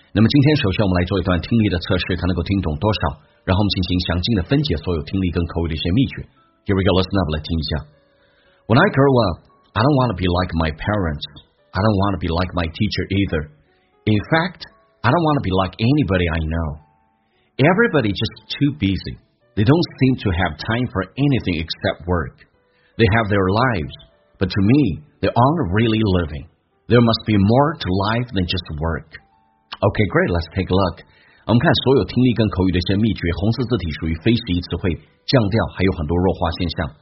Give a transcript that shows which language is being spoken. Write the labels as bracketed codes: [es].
[zh] 那么今天首先我们来做一段听力的测试，看能够听懂多少，然后我们进行详尽的分解所有听力跟口语的一些秘诀。 [en] Here we go, listen up, [zh] 来听一下。 [en] When I grow up, I don't want to be like my parents. I don't want to be like my teacher either. In fact, I don't want to be like anybody I know. Everybody just too busy. They don't seem to have time for anything except workThey have their lives, but to me, they aren't really living. There must be more to life than just work. Okay, great, let's take a look. [zh] 我们看所有听力跟口语的一些秘诀，红色字体属于非习词汇，降调还有很多弱化现象。